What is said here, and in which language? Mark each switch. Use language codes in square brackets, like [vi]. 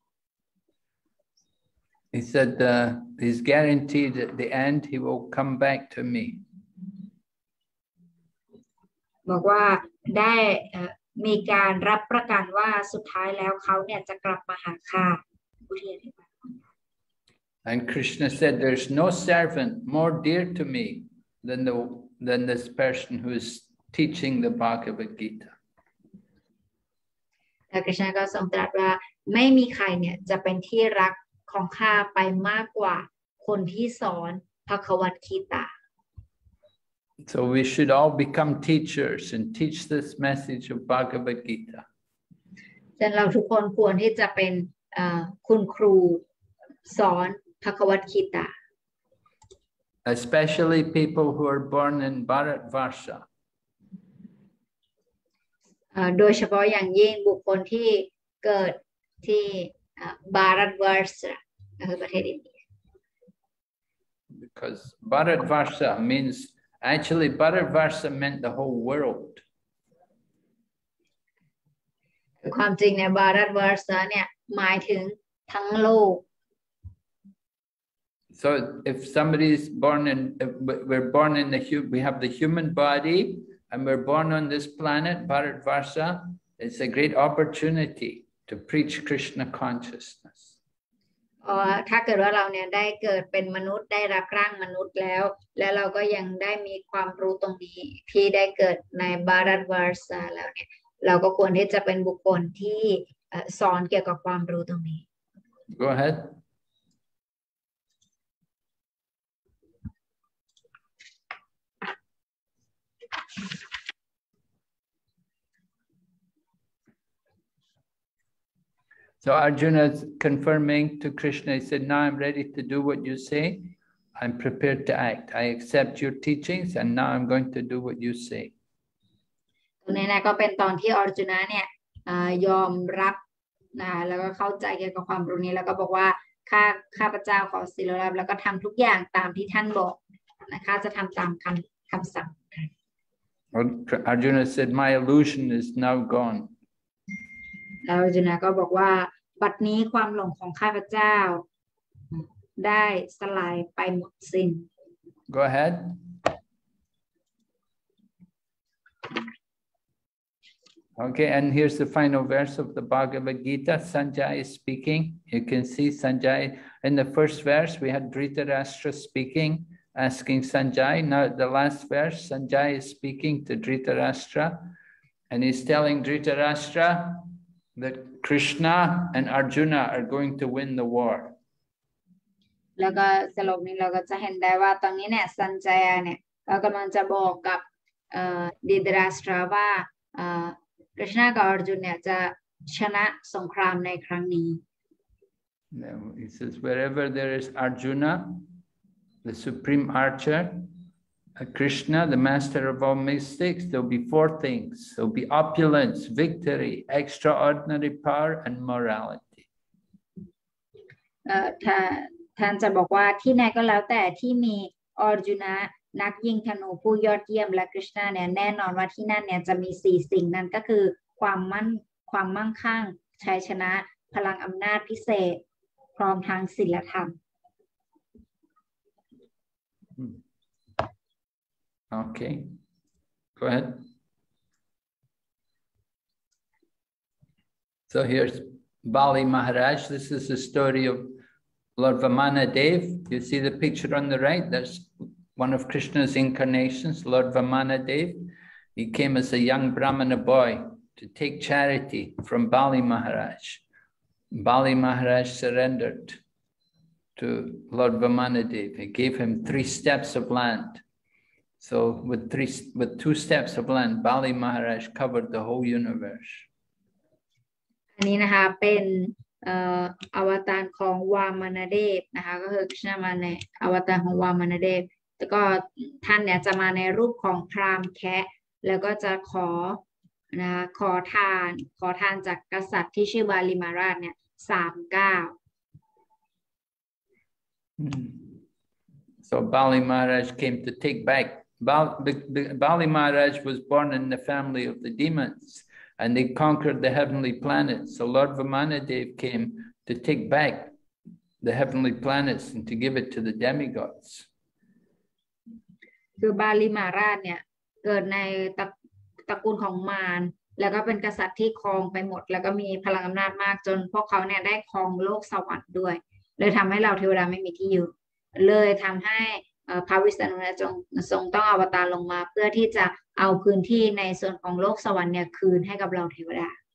[en] He said he's guaranteed at the end he will come back to me. [th] บอกว่าได้มีการรับประกันว่าสุดท้ายแล้วเขาเนี่ยจะกลับมาหาข้า [en] And Krishna said, "There's no servant more dear to me than this person who is teaching the Bhagavad Gita." [th] Krishna ก็ทรงตรัสว่าไม่มีใครเนี่ยจะเป็นที่รักของข้าไปมากกว่าคนที่สอนพระคัมภีร์กีตา [en] So we should all become teachers and teach this message of Bhagavad Gita. [th] ฉะนั้นเราทุกคนควรที่จะเป็นคุณครูสอนพระคัมภีร์กีตา [en] especially people who are born in Bharat Varsha. [th] โดยเฉพาะอย่างยิ่งบุคคลที่เกิดที่บารัตวาร์ชาก็คือประเทศอินเดีย [en] because Bharat Varsha means actually Bharat Varsha meant the whole world [th] ความจริงเนี่ยบารัตวาร์ชาเนี่ยหมายถึงทั้งโลก [en] so if somebody is born in we're born in the we have the human bodyAnd we're born on this planet, Bharat Varsha, it's a great opportunity to preach Krishna consciousness. [th] ถ้าเกิดว่าเราเนี่ยได้เกิดเป็นมนุษย์ได้รับร่างมนุษย์แล้วและเราก็ยังได้มีความรู้ตรงนี้ที่ได้เกิดใน Bharat Varsha แล้วเนี่ยเราก็ควรที่จะเป็นบุคคลที่สอนเกี่ยวกับความรู้ตรงนี้ [en] Go ahead. So Arjuna is confirming to Krishna, he said, now I'm ready to do what you say. I'm prepared to act. I accept your teachings and now I'm going to do what you say. [th] ตรงนี้นะก็เป็นตอนที่ Arjuna เนี่ยยอมรับนะแล้วก็เข้าใจเกี่ยวกับความรู้นี้แล้วก็บอกว่าข้าพเจ้าขอศีลรับแล้วก็ทำทุกอย่างตามที่ท่านบอกนะคะจะทำตามคำสั่ง [en] Arjuna said, "My illusion is now gone." [th] Arjuna ก็บอกว่าบัดนี้ความหลงของข้าพเจ้าได้สลายไปหมดสิ้น [en] Go ahead. Okay, and here's the final verse of the Bhagavad Gita. Sanjay is speaking. You can see Sanjay in the first verse. We had Dhritarashtra speaking. Asking Sanjay. Now the last verse, Sanjay is speaking to Dhritarashtra and he's telling Dhritarashtra that Krishna and Arjuna are going to win the war. [th] แล้วก็สรุปนี้เราก็จะเห็นได้ว่าตอนนี้เนี่ยสัญชัยเนี่ยก็กำลังจะบอกกับดิดราสตราว่าคริชนากับอาร์จุนเนี่ยจะชนะสงครามในครั้งนี้ [en] He says wherever there is Arjuna,The Supreme Archer, Krishna, the master of all mystics, there'll be four things. There'll be opulence, victory, extraordinary power, and morality. [th] ท่านจะบอกว่าที่ไหนก็แล้วแต่ที่มีอร์จุนะนักยิงธนูผู้ยอดเยี่ยมและคริชนาเนี่ยแน่นอนว่าที่นั่นเนี่ยจะมีสี่สิ่งนั้นก็คือความมั่งคั่งชัยชนะพลังอำนาจพิเศษพร้อมทางศีลธรรม [en] Okay, go ahead. So here's Bali Maharaj. This is the story of Lord Vamanadeva. You see the picture on the right? That's one of Krishna's incarnations, Lord Vamanadeva. He came as a young Brahmana boy to take charity from Bali Maharaj. Bali Maharaj surrendered to Lord Vamanadeva. He gave him three steps of land. So with two steps of land, Bali Maharaj covered the whole universe. [th] อันนี้นะคะเป็นอวตารของวามนเดฟนะคะก็คือคริชนามาในอวตารของวามนเดฟแล้วก็ท่านเนี่ยจะมาในรูปของพรามแคะแล้วก็จะขอนะขอทานจากกษัตริย์ที่ชื่อบาลีมาราชเนี่ย39 [en] So Bali Maharaj came to take backBali Maharaj was born in the family of the demons and they conquered the heavenly planets. So Lord Vamanadeva came to take back the heavenly planets and to give it to the demigods. [th] คือ Bali Maharaj เนี่ยเกิดในตระกูลของมารแล้วก็เป็นกษัตริย์ที่ครองไปหมดแล้วก็มีพลังอำนาจมากจนพวกเขาเนี่ยได้ครองโลกสวรรค์ด้วยเลยทำให้เราเทวดาไม่มีที่อยู่เลยทำให้พระวิษณุเนี่ยทรงต้องอวตารลงมาเพื่อที่จะเอาพื้นที่ในส่วนของโลกสวรรค์เนี่ยคืนให้กับเราเทวดา